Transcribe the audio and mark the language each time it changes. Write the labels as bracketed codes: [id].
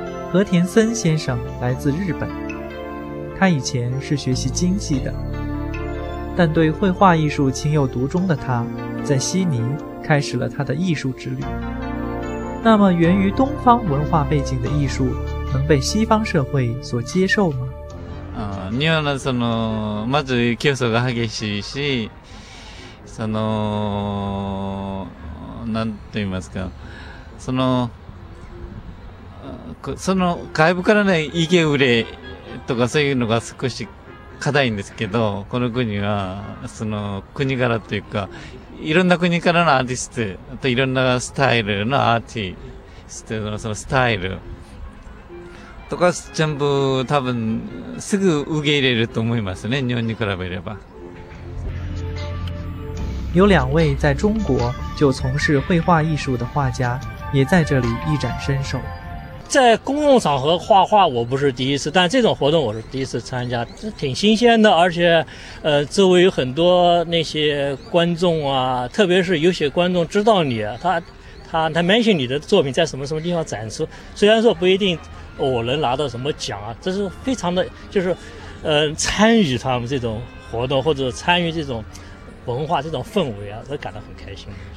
[zh] 和田森先生来自日本，他以前是学习经济的，但对绘画艺术情有独钟的他在悉尼开始了他的艺术之旅。那么源于东方文化背景的艺术能被西方社会所接受吗？ [ja] 日本はまず競争が激しいし、その、なんと言いますか、その、その外部からね、意見売れとかそういうのが少し課題んですけど、この国は、その国柄というか、いろんな国からのアーティスト、あといろんなスタイルのアーティストのそのスタイルとか全部多分すぐ受け入れると思いますね、日本に比べれば。 [zh] 有两位在中国就从事绘画艺术的画家也在这里一展身手。在公共场合画画我不是第一次，但这种活动我是第一次参加，这挺新鲜的，而且周围有很多那些观众啊，特别是有些观众知道你，他 mention 你的作品在什么什么地方展出，虽然说不一定我能拿到什么奖啊，这是非常的就是参与他们这种活动或者参与这种文化这种氛围啊，都感到很开心。